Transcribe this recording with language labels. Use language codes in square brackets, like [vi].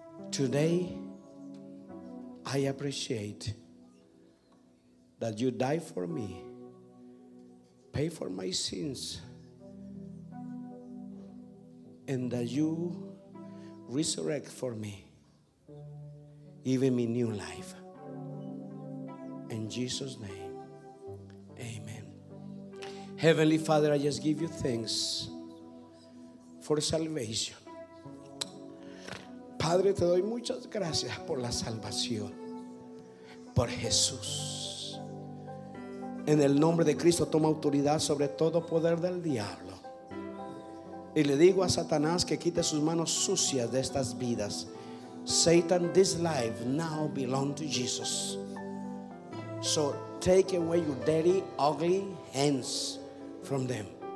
[en] Today, I appreciate that you died for me, pay for my sins, and that you resurrect for me, giving me new life. In Jesus' name, amen. Heavenly Father, I just give you thanks for salvation. [es] Padre, te doy muchas gracias por la salvación, por Jesús. En el nombre de Cristo toma autoridad sobre todo poder del diablo. Y le digo a Satanás que quite sus manos sucias de estas vidas. [en] Satan, this life now belongs to Jesus. So take away your dirty, ugly hands from them.